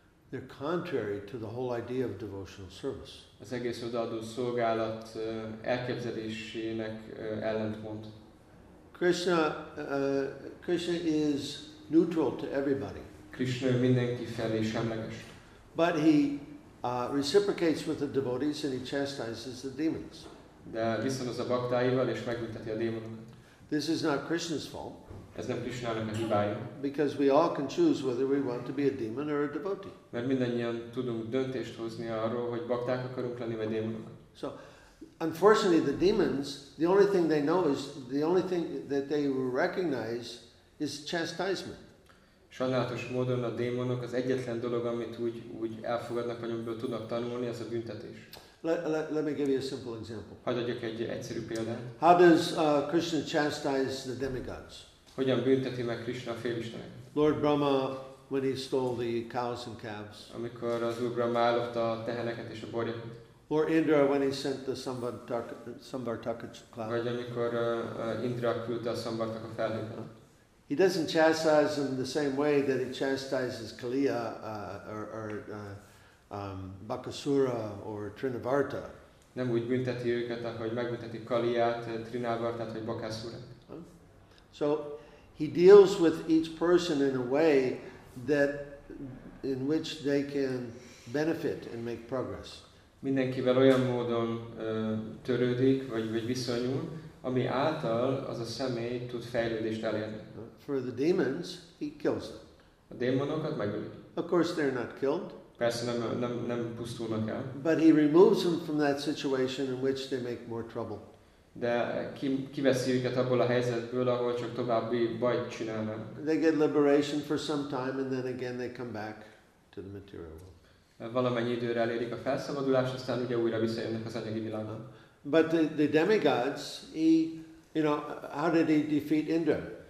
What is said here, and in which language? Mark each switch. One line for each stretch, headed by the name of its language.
English: They're contrary to the whole idea of devotional service.
Hungarian: Az egész odaadó szolgálat elképzelésének ellentmond.
English: Krishna is neutral to everybody.
Hungarian: Krishna mindenki felé semleges.
English: But he reciprocates with the devotees and he chastises the demons.
Hungarian: De viszonoz a baktáival és megbünteti a démonokat.
English: This is not Krishna's fault.
Hungarian: Ez nem Krishnának a hibája.
English: Because we all can choose whether we want to be a demon or a devotee.
Hungarian: Mert mindannyian tudunk döntést hozni arról, hogy bakták akarunk lenni vagy démonok.
English: So, unfortunately, the demons, the only thing they know is the only thing that they recognize is chastisement.
Hungarian: Sajnálatos módon a démonok az egyetlen dolog, amit úgy elfogadnak, vagy amiből tudnak tanulni, az a büntetés.
English: Let me give you a simple example.
Hungarian: Hadd adjak egy egyszerű példát.
English: How does Krishna chastise the demigods?
Hungarian: Hogyan bünteti meg Krishna a félisteneket?
English: Lord Brahma, when he stole the cows and calves.
Hungarian: Amikor az Úr Brahma ellopta a teheneket és a borjakat.
English: Lord Indra, when he sent the Samvartaka cloud.
Hungarian: Vagy amikor Indra küldte a Samvartaka felhőket.
English: He doesn't chastise them the same way that he chastises Kaliya or Bakasura or Trinavarta.
Hungarian: Nem úgy bünteti őket, ahogy megbünteti Kaliát, Trinavartát vagy Bakasurát.
English: So he deals with each person in a way that in which they can benefit and make progress.
Hungarian: Mindenkivel olyan módon törődik vagy viszonyul, ami által az a személy tud fejlődést elérni.
English: For the demons, he kills them.
Hungarian: A démonokat megöli.
English: Of course they're not killed.
Hungarian: Persze nem pusztulnak el.
English: But he removes them from that situation in which they make more trouble.
Hungarian: De kiveszi őket abból a helyzetből, ahol csak további bajt csinálnak.
English: They get liberation for some time and then again they come back to the material world.
Hungarian: Valamennyi időre elérik a felszabadulás, aztán ugye újra visszajönnek az anyagi világba.
English: But the demigods, how did he defeat Indra?